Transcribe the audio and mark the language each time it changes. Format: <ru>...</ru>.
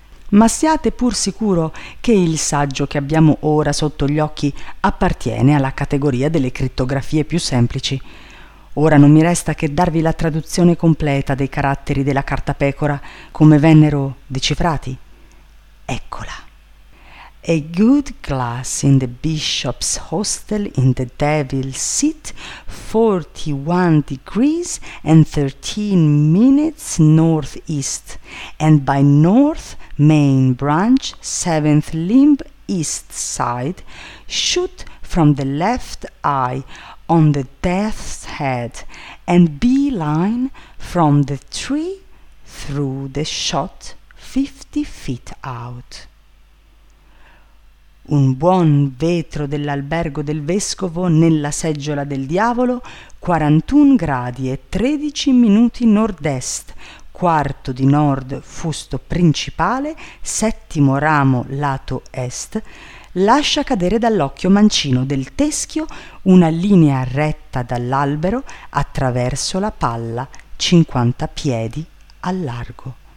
<it>Ma siate pur sicuro che il saggio che abbiamo ora sotto gli occhi appartiene alla categoria delle crittografie più semplici. Ora non mi resta che darvi la traduzione completa dei caratteri della carta pecora, come vennero decifrati. Eccola.</it> <en>A good glass in the bishop's hostel in the devil's seat, 41 degrees and 13 minutes northeast, and by north main branch, 7th limb east side, shoot from the left eye on the death's head, and beeline from the tree through the shot 50 feet out.</en> <it>Un buon vetro dell'albergo del vescovo nella seggiola del diavolo, 41 gradi e 13 minuti nord-est, quarto di nord fusto principale, settimo ramo lato est, lascia cadere dall'occhio mancino del teschio una linea retta dall'albero attraverso la palla, 50 piedi al largo.</it>